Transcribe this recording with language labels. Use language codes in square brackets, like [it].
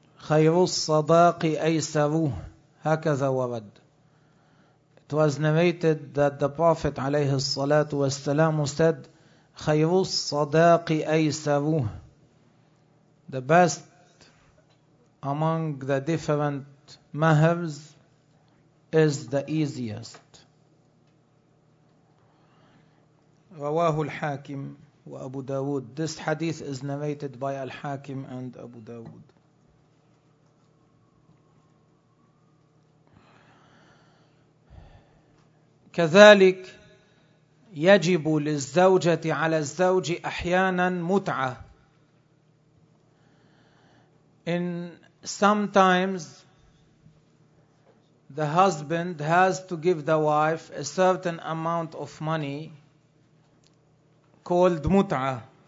[ar] خير الصداق أيسروه هكذا ورد. [en] It was narrated that the Prophet [ar] عليه الصلاة والسلام [en] said, [ar] خير الصداق أيسروه. [en] The best among the different mahars is the easiest. [ar] رواه الحاكم وأبو داود. [en] This hadith is narrated by Al-Hakim and Abu Dawood. [ar] كذلك يجب للزوجة على الزوج أحيانا متعة. [en] In sometimes the husband has to give the wife a certain amount of money called متعة.